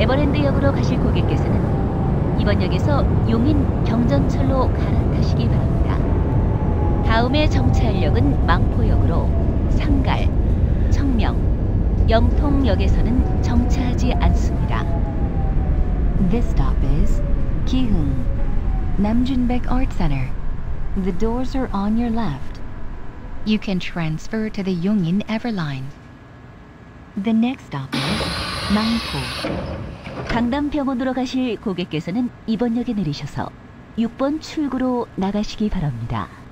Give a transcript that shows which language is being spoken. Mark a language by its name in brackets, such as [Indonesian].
[Korean] 쪽으로 가실 고객께서는 이번 역에서 용인 경전철로 갈아타시기 바랍니다. 다음에 정차할 역은 망포역으로 상갈, 청명, 영통역에서는 정차하지 않습니다. [English] This stop is 기흥 Namjoonbaek Art Center. The doors are on your left. You can transfer to the Yongin Everline. The next stop is 망포. [Korean] 강남병원으로 가실 고객께서는 이번 역에 내리셔서 6번 출구로 나가시기 바랍니다.